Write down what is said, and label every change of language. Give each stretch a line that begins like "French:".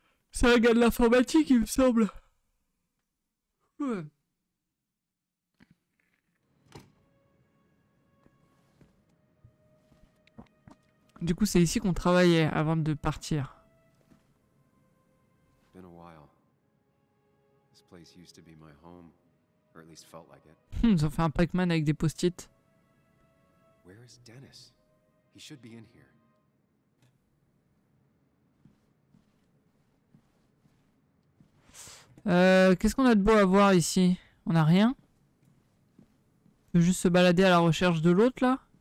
French: C'est un gars de l'informatique, il me semble. Ouais. Du coup, c'est ici qu'on travaillait avant de partir.
English: Been a while. This place used to be my home, or at least felt like it.
French: Ils ont fait un Pac-Man avec des post-it.
English: Where is Dennis? He should be in here.
French: Qu'est-ce qu'on a de beau à voir ici? On a rien. On peut juste se balader à la recherche de l'autre là.